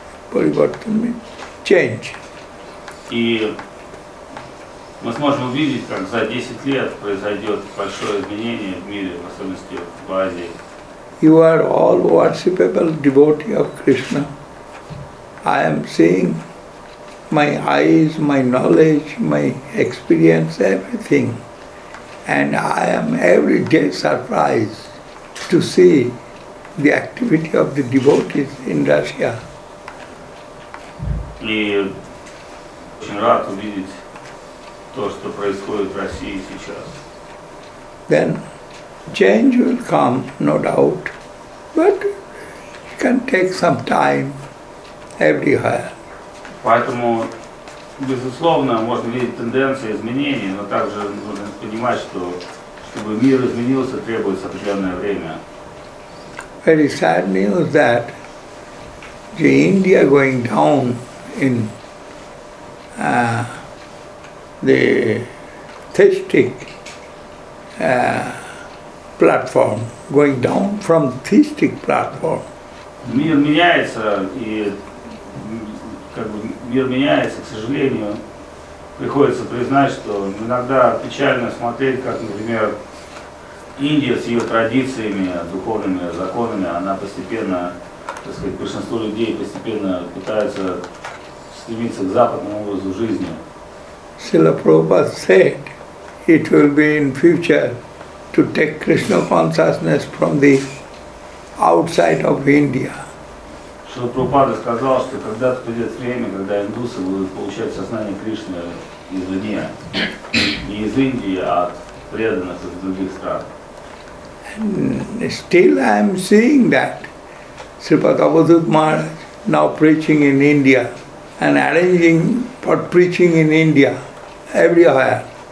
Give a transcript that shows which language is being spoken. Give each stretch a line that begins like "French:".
English: Paribartan means change.
Russian: И мы сможем увидеть, как за 10 лет произойдет большое изменение в мире, в особенности в Азии.
English: You are all worshipable devotee of Krishna. I am seeing my eyes, my knowledge, my experience, everything. And I am every day surprised to see the activity of the devotees in Russia.
Russian: И очень рад увидеть то, что происходит в России сейчас.
English: Then change will come, no doubt, but it can take some time everywhere.
Russian: Поэтому, безусловно, можно видеть тенденции изменений, но также нужно понимать, что чтобы мир изменился, требуется определенное время.
English: Very sad news that the India going down in the theistic platform, going down from theistic platform.
Russian: Мир меняется, и как бы мир меняется, к сожалению, приходится признать, что иногда печально смотреть, как, например, Индия с ее традициями, духовными законами, она постепенно, так сказать, большинство людей постепенно пытаются стремиться к западному образу жизни.
English: Srila Prabhupada said, it will be in future to take Krishna consciousness from the outside of India.
Russian: Srila Prabhupada сказал, что когда-то придет время, когда индусы будут получать сознание Кришны извне, не из Индии, а от преданных из других стран.
English: And still I am seeing that Sri Padmavadhuta Maharaj now preaching in India and arranging for preaching in India everywhere.